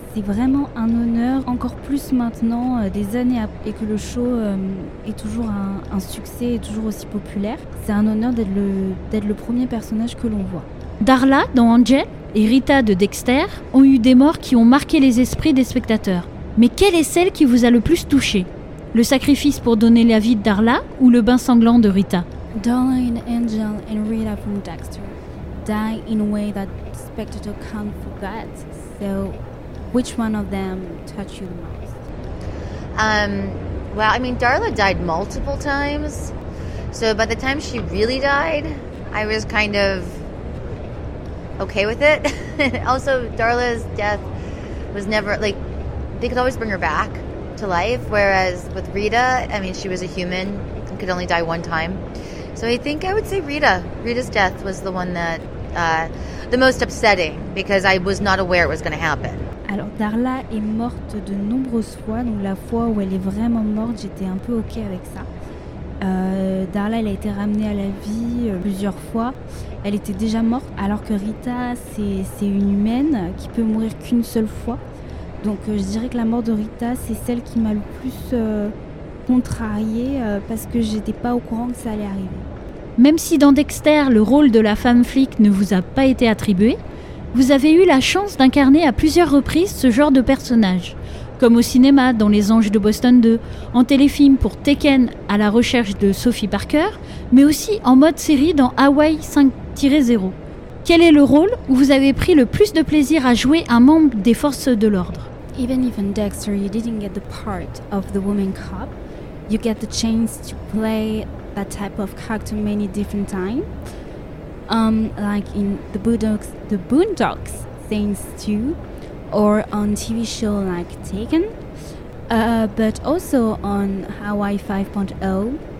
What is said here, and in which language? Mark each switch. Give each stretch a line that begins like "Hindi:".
French: C'est vraiment un honneur, encore plus maintenant, des années après, et que le show est toujours un succès et toujours aussi populaire. C'est un honneur d'être le premier personnage que l'on voit. Darla dans Angel et Rita de Dexter ont eu des morts qui ont marqué les esprits des spectateurs. Mais quelle est celle qui vous a le plus touché? Le sacrifice pour donner la vie de Darla ou le bain sanglant de Rita?
English: Darla and Angel and Rita from Dexter die in a way that spectator can't forget. So, which one of them touched you the most? Well, I mean, Darla died multiple times. So by the time she really died, I was kind of okay with it. Also, Darla's death was never, like, they could always bring her back to life, whereas with Rita, I mean, she was a human and could only die one time. So I think I would say Rita. Rita's death was the one that the most upsetting, because I was not aware it was going to happen.
French: Alors Darla est morte de nombreuses fois, donc la fois où elle est vraiment morte, j'étais un peu ok avec ça. Darla, elle a été ramenée à la vie plusieurs fois. Elle était déjà morte, alors que Rita, c'est une humaine qui peut mourir qu'une seule fois. Donc je dirais que la mort de Rita, c'est celle qui m'a le plus contrariée parce que j'étais pas au courant que ça allait arriver. Même si dans Dexter, le rôle de la femme flic ne vous a pas été attribué, vous avez eu la chance d'incarner à plusieurs reprises ce genre de personnage. Comme au cinéma dans Les Anges de Boston 2, en téléfilm pour Taken à la recherche de Sophie Parker, mais aussi en mode série dans Hawaii 5-0. Quel est le rôle où vous avez pris le plus de plaisir à jouer un membre des forces de l'ordre?
English: Even if in Dexter you didn't get the part of the woman cop, you get the chance to play that type of character many different times. Like in the Boondocks Saints 2, or on TV show like Taken, but also on Hawaii 5.0.